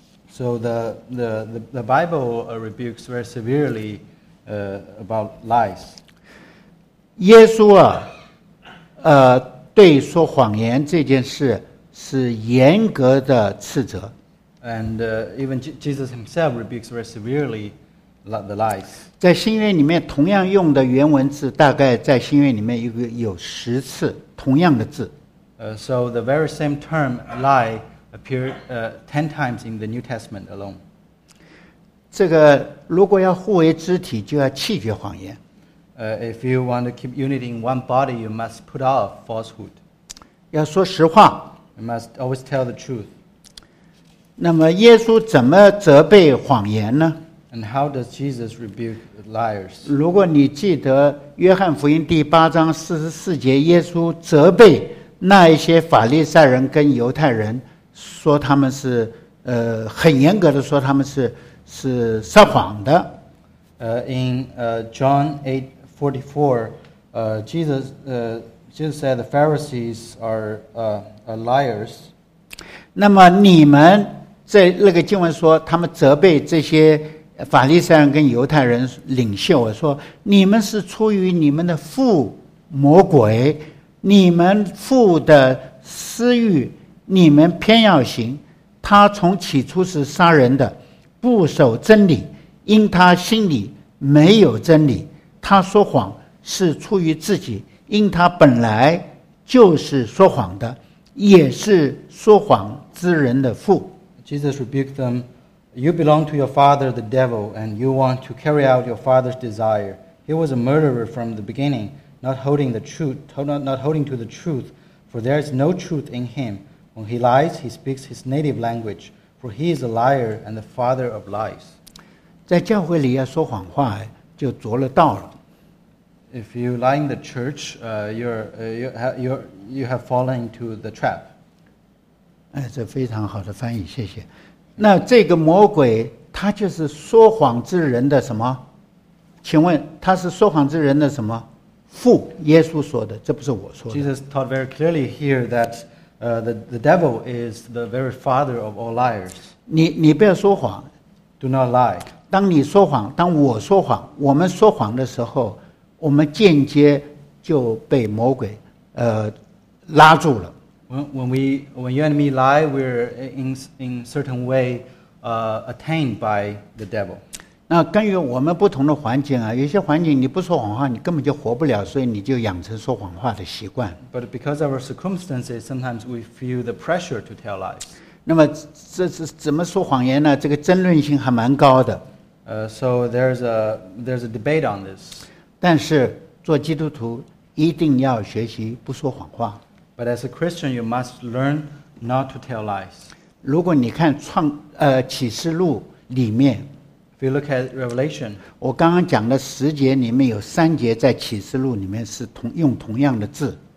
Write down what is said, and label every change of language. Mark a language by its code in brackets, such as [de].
[en] So the Bible rebukes very severely, about lies. [zh] 耶稣啊，对说谎言这件事是严格的斥责。 [en] And even Jesus himself rebukes very severely the lies. [zh] 在新约里面同样用的原文字大概在新约里面有十次同样的字。 [en] So the very same term lie appeared 10 times in the New Testament alone. [zh] 这个如果要互为肢体就要弃绝谎言。 [en] If you want to keep unity in one body, you must put off falsehood. [zh] 要说实话。 [en] You must always tell the truth. [zh] 那么耶稣怎么责备谎言呢？ [en] And how does Jesus rebuke liars? [zh] 如果你记得约翰福音第八章四十四节，耶稣责备那一些法利赛人跟犹太人，说他们是很严格的说他们是撒谎的。 [en] In John 8:44, Jesus said the Pharisees are liars. [zh] 那么你们在那个经文说，他们责备这些法利赛人跟犹太人领袖，说你们是出于你们的父魔鬼，你们父的私欲，你们偏要行。他从起初是杀人的，不守真理，因他心里没有真理，他说谎是出于自己，因他本来就是说谎的，也是说谎之人的父。 [en] Jesus rebuked them, You belong to your father the devil, and you want to carry out your father's desire. He was a murderer from the beginning, not holding to the truth, for there is no truth in him. When he lies, he speaks his native language, for he is a liar and the father of lies. [zh] 在教会里要说谎话就着了道了。 [en] If you lie in the church, you have fallen into the trap. [zh] 哎，这非常好的翻译，谢谢。那这个魔鬼他就是说谎之人的什么？请问他是说谎之人的什么？父，耶稣说的，这不是我说的。 [en] Jesus taught very clearly here that the devil is the very father of all liars. [zh] 你不要说谎。 [en] Do not lie. [zh] 当你说谎，当我说谎，我们说谎的时候，我们间接就被魔鬼拉住了。 [en] When you and me lie, we're in certain way attained by the devil. [zh] 那根据我们不同的环境啊，有些环境你不说谎话，你根本就活不了，所以你就养成说谎话的习惯。 [en] But because of our circumstances, sometimes we feel the pressure to tell lies. [zh] 那么这是怎么说谎言呢？这个争论性还蛮高的。 [en] So there's a debate on this. [zh] 但是做基督徒一定要学习不说谎话。 [en] But as a Christian, you must learn not to tell lies. [zh] 如果你看启示录里面， [en] If you look at Revelation, [zh] 我刚刚讲的十节里面有三节在启示录里面是用同样的字。